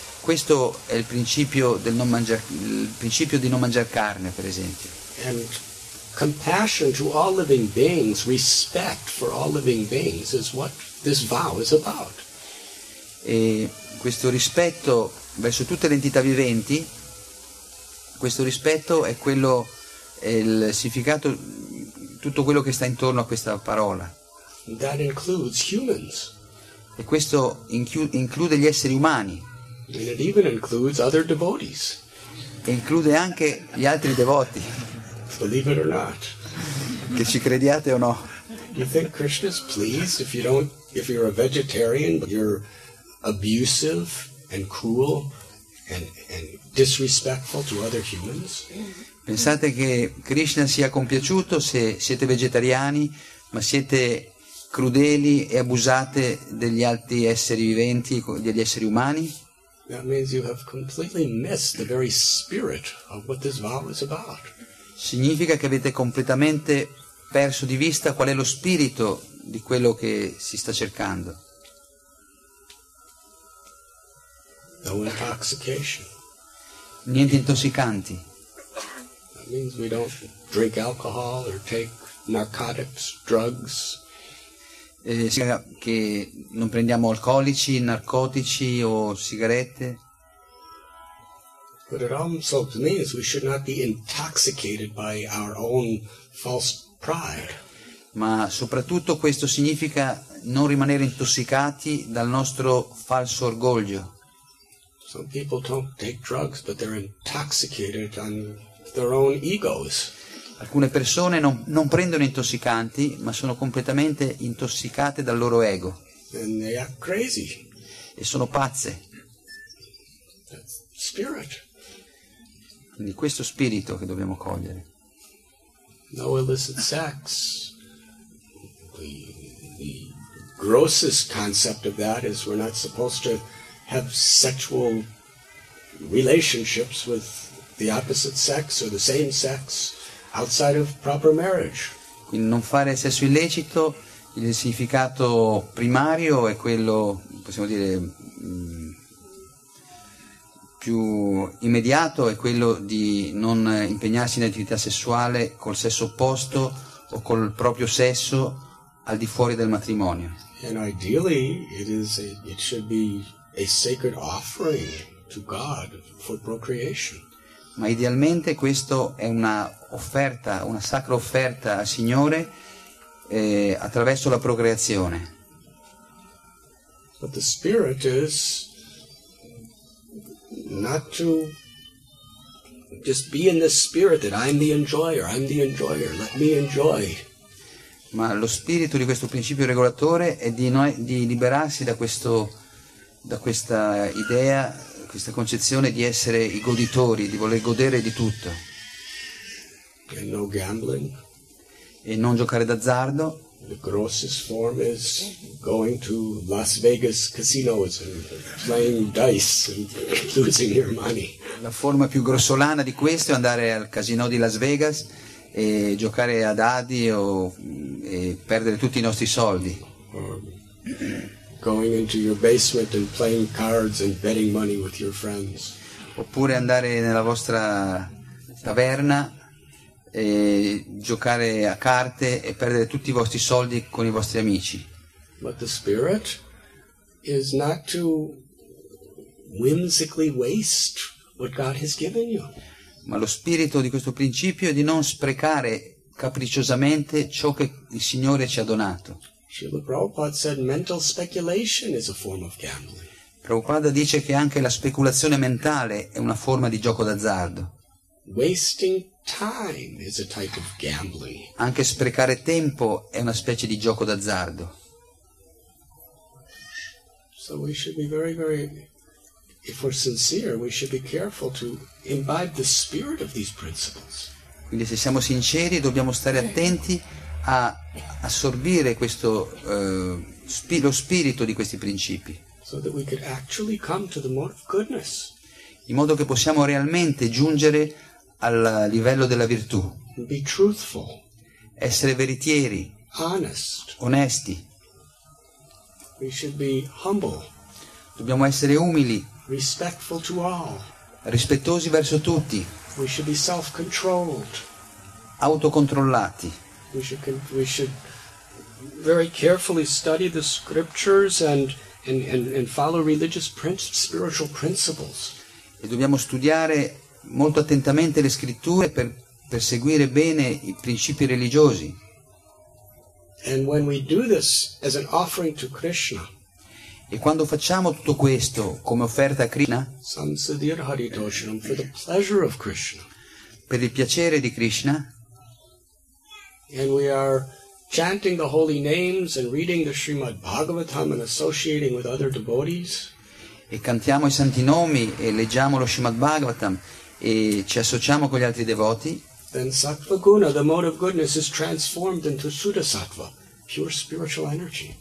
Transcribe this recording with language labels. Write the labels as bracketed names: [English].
[Italian] Questo è il principio del non mangiar, il principio di non mangiar carne, per esempio. [English] And compassion to all living beings, respect for all living beings is what this vow is about. [Italian] E questo rispetto verso tutte le entità viventi, questo rispetto è quello, è il significato, tutto quello che sta intorno a questa parola. [English] That includes humans. [Italian] E questo include gli esseri umani. [English] And it even includes other devotees. [Italian] E include anche gli altri devoti. [English] Believe it or not. [Italian] Che ci crediate o no. [English] You think Krishna is pleased if you don't, if you're a vegetarian, but you're abusive and cruel and disrespectful to other humans? [Italian] Pensate che Krishna sia compiaciuto se siete vegetariani ma siete crudeli e abusate degli altri esseri viventi, degli esseri umani? [English] That means you have completely missed the very spirit of what this vow is about. [Italian] Significa che avete completamente perso di vista qual è lo spirito di quello che si sta cercando. [English] No intoxication. [Italian] Niente intossicanti. [English] That means we don't drink alcohol or take narcotics, drugs. [Italian] Significa che non prendiamo alcolici, narcotici o sigarette. [English] But it also means we should not be intoxicated by our own false pride. [Italian] Ma soprattutto questo significa non rimanere intossicati dal nostro falso orgoglio. [English] Some people don't take drugs, but they're intoxicated on their own egos. [Italian] Alcune persone non prendono intossicanti, ma sono completamente intossicate dal loro ego. [English] And they are crazy. [Italian] E sono pazze. [English] That's spirit. [Italian] Quindi questo spirito che dobbiamo cogliere. [English] No illicit sex. The grossest concept of that is we're not supposed to have sexual relationships with the opposite sex or the same sex outside of proper marriage. [Italian] Quindi non fare sesso illecito, il significato primario è quello, possiamo dire, più immediato è quello di non impegnarsi in attività sessuale col sesso opposto o col proprio sesso al di fuori del matrimonio. [English] And ideally it should be a sacred offering to God for procreation. [Italian] Ma idealmente questo è una offerta, una sacra offerta al Signore attraverso la procreazione. [English] But the spirit is not to just be in the spirit that I'm the enjoyer, let me enjoy. [Italian] Ma lo spirito di questo principio regolatore è di liberarsi da questo da questa idea, questa concezione di essere i goditori, di voler godere di tutto. [English] And no gambling. [Italian] E non giocare d'azzardo. [English] The grossest form is going to Las Vegas casinos and playing dice and losing your money. [Italian] La forma più grossolana di questo è andare al casinò di Las Vegas e giocare a dadi o e perdere tutti i nostri soldi. [English] Going into your basement and playing cards and betting money with your friends. [Italian] Oppure andare nella vostra taverna e giocare a carte e perdere tutti i vostri soldi con i vostri amici. [English] But the spirit is not to whimsically waste what God has given you. [Italian] Ma lo spirito di questo principio è di non sprecare capricciosamente ciò che il Signore ci ha donato. [English] Srila Prabhupada said mental speculation is a form of gambling. [Italian] Prabhupada dice che anche la speculazione mentale è una forma di gioco d'azzardo. [English] Wasting time is a type of gambling. [Italian] Anche sprecare tempo è una specie di gioco d'azzardo. [English] So we should be very, very, if we're sincere, we should be careful to imbibe the spirit of these principles. [Italian] Quindi se siamo sinceri dobbiamo stare attenti a assorbire questo lo spirito di questi principi. [English] So that we could actually come to the mode of goodness. [Italian] In modo che possiamo realmente giungere al livello della virtù. [English] Be truthful. [Italian] Essere veritieri. [English] Honest. [Italian] Onesti. [English] We should be humble. [Italian] Dobbiamo essere umili. [English] Respectful to all. [Italian] Rispettosi verso tutti. [English] We should be self-controlled. [Italian] Autocontrollati. [English] We should very carefully study the scriptures and follow religious spiritual principles. [Italian] E dobbiamo studiare molto attentamente le scritture per seguire bene i principi religiosi. [English] And when we do this as an offering to Krishna. [Italian] E quando facciamo tutto questo come offerta a Krishna, [Sanskrit] Sansadir Haritoshanam, [English] for the pleasure of Krishna. [Italian] Per il piacere di Krishna. [English] And we are chanting the holy names and reading the Srimad Bhagavatam and associating with other devotees. [Italian] E cantiamo i santi nomi e leggiamo lo Srimad Bhagavatam e ci associamo con gli altri devoti. [English] Then sattva guna, the mode of goodness, is transformed into sudha sattva, pure spiritual energy.